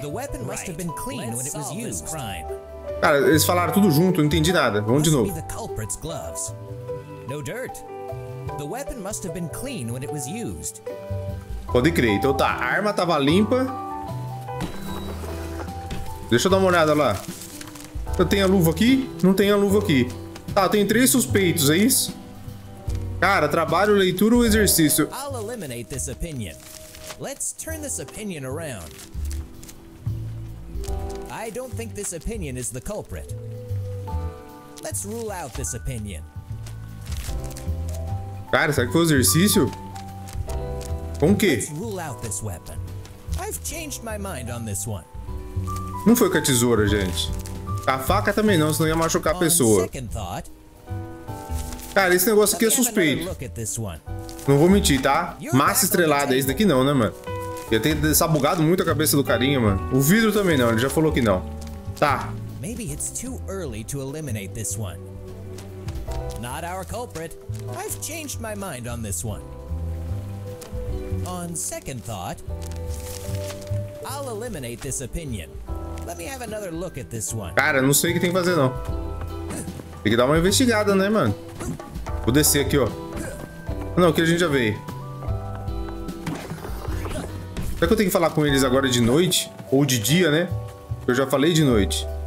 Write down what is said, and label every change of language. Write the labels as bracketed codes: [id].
[en] The weapon must have been clean when it was used. [pt] Cara, eles falaram tudo junto, não entendi nada. Vamos de novo. [en] The culprit's gloves. No dirt. The weapon must have been clean when it was used. [pt] Pode crer. Então tá, a arma tava limpa. Deixa eu dar uma olhada lá. Eu tenho a luva aqui? Não tenho a luva aqui. Tá, tem três suspeitos, é isso? Cara, trabalho, leitura ou exercício? [en] I'll eliminate this opinion. Let's turn this opinion around. I don't think this opinion is the culprit. Let's rule out this opinion. [pt] Cara, será que foi o exercício? Com o quê? [en] Let's rule out this weapon. I've changed my mind on this one. [pt] Não foi com a tesoura, gente. A faca também não, senão ia machucar a pessoa. Cara, esse negócio aqui é suspeito. Não vou mentir, tá? Massa estrelada é esse daqui não, né, mano? Ia ter desabugado muito a cabeça do carinha, mano. O vidro também não, ele já falou que não. Tá. [en] Maybe it's too early to eliminate this one. Not our culprit. I've changed my mind on this one. On second thought, I'll eliminate this opinion. Let me have another look at this one. [pt] Cara, não sei o que tem que fazer, não. Tem que dar uma investigada, né, mano? Vou descer aqui, ó. Não, aqui a gente já veio. Será que eu tenho que falar com eles agora de noite? Ou de dia, né? Eu já falei de noite.